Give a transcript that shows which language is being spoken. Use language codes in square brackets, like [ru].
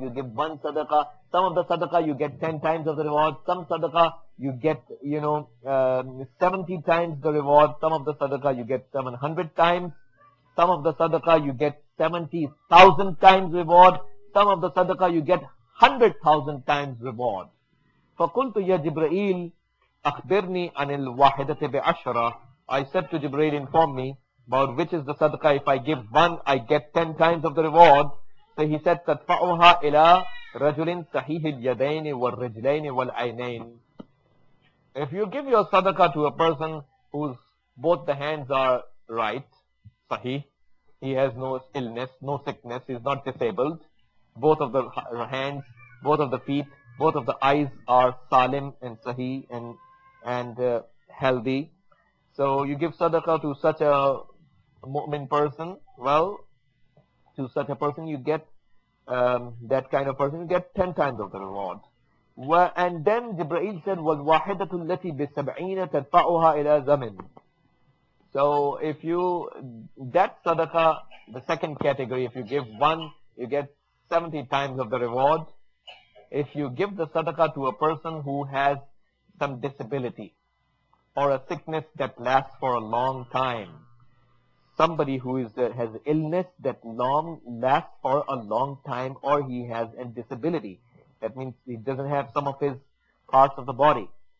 [en] You give one sadaqah, some of the sadaqah, you get 10 times of the reward. Some sadaqah, you get, 70 times the reward. Some of the sadaqah, you get 700 times. Some of the sadaqah, you get 70,000 times reward. Some of the sadaqah, you get 100,000 times reward. [ar] فقلت يا جبرائيل أخبرني عن الواحدة بعشرة. [en] I said to Jibreel, inform me about which is the sadaqah. If I give one, I get 10 times of the reward. So he said, [ar] تدفعها إلى رجل صحيح اليدين والرجلين والعينين. [en] If you give your sadaqah to a person whose both the hands are right, صحيح, he has no illness, no sickness, he's not disabled, both of the hands, both of the feet, both of the eyes are salim and sahih and healthy. So you give sadaqah to such a mu'min person, well, to such a person you get, that kind of person, you get 10 times of the reward. And then Jibreel said, [ar] وَالْوَاحِدَةُ الَّتِي بِسَبْعِينَ تَدْفَعُهَا إِلَىٰ زَمِنٍ. [en] So if you, that sadaqah, the second category, if you give one, you get 70 times of the reward. If you give the sadaqah to a person who has some disability or a sickness that lasts for a long time, somebody who is has illness that long lasts for a long time, or he has a disability, that means he doesn't have some of his parts of the body.